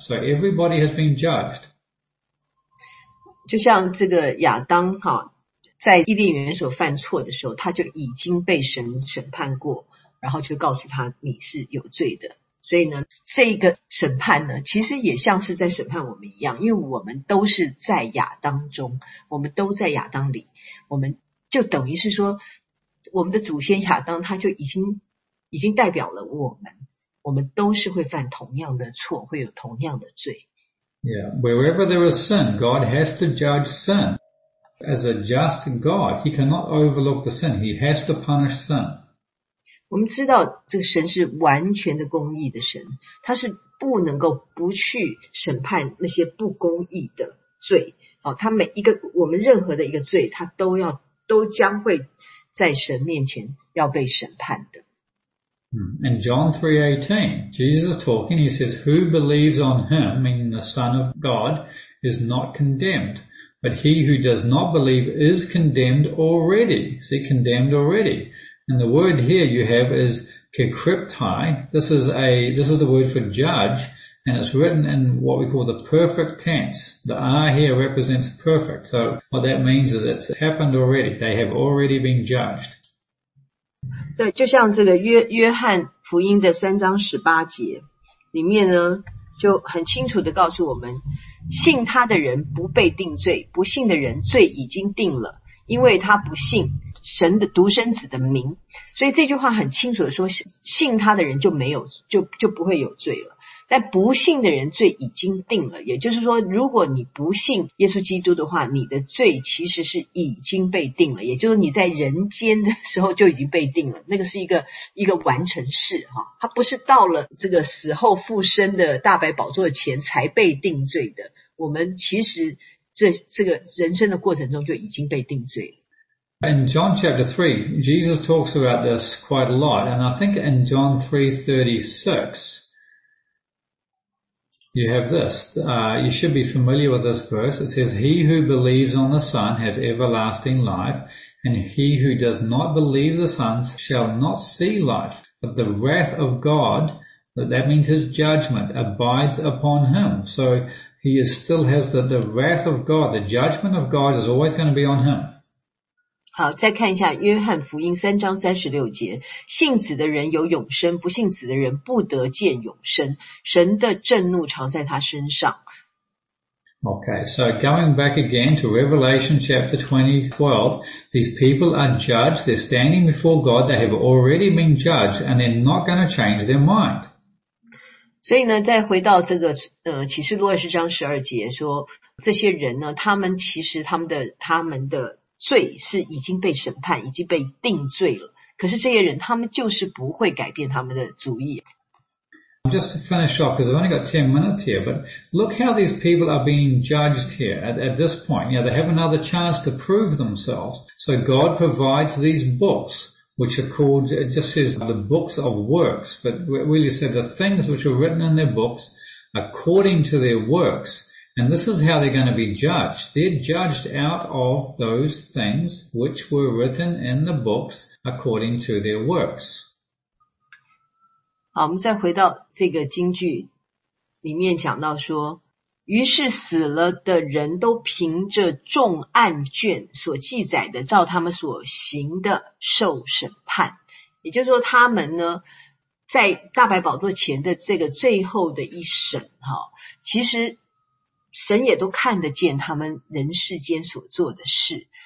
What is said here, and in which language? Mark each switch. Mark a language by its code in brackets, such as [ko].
[en] So everybody has been judged. [zh] 就像这个亚当哈，在伊甸园所犯错的时候，他就已经被神审判过，然后就告诉他你是有罪的。所以呢，这个审判呢，其实也像是在审判我们一样，因为我们都是在亚当中，我们都在亚当里，我们就等于是说我们的祖先亚当他就已经代表了我们都是会犯同样的错，会有同样的罪。 [en] Yeah, wherever there is sin, God has to judge sin. As a just God, he cannot overlook the sin. He has to punish sin. [zh] 我们知道这个神是完全的公义的神，他是不能够不去审判那些不公义的罪。好，他每一个我们任何的一个罪，他都将会在神面前要被审判的。 [en] And John 3:18, Jesus talking, he says, who believes on him, meaning the Son of God, is not condemned. But he who does not believe is condemned already. See, condemned already. And the word here you have is kekriptai. This is the word for judge. And it's written in what we call the perfect tense. The R here represents perfect. So what that means is it's happened already. They have already been judged. [zh] 对，就像这个约翰福音的三章十八节里面呢，就很清楚的告诉我们，信他的人不被定罪，不信的人罪已经定了，因为他不信神的独生子的名。所以这句话很清楚的说，信他的人就不会有罪了。但不信的人罪已经定了，也就是说如果你不信耶稣基督的话，你的罪其实是已经被定了，也就是你在人间的时候就已经被定了，那个是一个完成式，它不是到了这个死后复生的大白宝座前才被定罪的，我们其实这个人生的过程中就已经被定罪了。 [en] In John chapter 3, Jesus talks about this quite a lot, and I think in John 3:36, you have this. You should be familiar with this verse. It says, he who believes on the Son has everlasting life, and he who does not believe the Son shall not see life. But the wrath of God, that means his judgment, abides upon him. So he still has the wrath of God, the judgment of God is always going to be on him. [zh] 好，再看一下约翰福音三章三十六节，信子的人有永生，不信子的人不得见永生，神的震怒常在他身上。 [en] Okay, so going back again to Revelation chapter 12, these people are judged, they're standing before God, they have already been judged, and they're not going to change their mind. [zh] 所以呢，再回到这个启示录二十章十二节说，这些人呢，他们其实他们的罪是已经被审判，已经被定罪了。可是这些人，他们就是不会改变他们的主意。 [en] Just to finish off, because I've only got 10 minutes here, but look how these people are being judged here at this point. You know, they have another chance to prove themselves. So God provides these books, which are called, it just says the books of works, but really said the things which are written in their books according to their works. And this is how they're going to be judged. They're judged out of those things which were written in the books according to their works. [zh] 好，我们再回到这个经句里面讲到说，于是死了的人都凭着众案卷所记载的，照他们所行的受审判。也就是说，他们呢，在大白宝座前的这个最后的一审，其实神也都看得见他们人世间所做的事。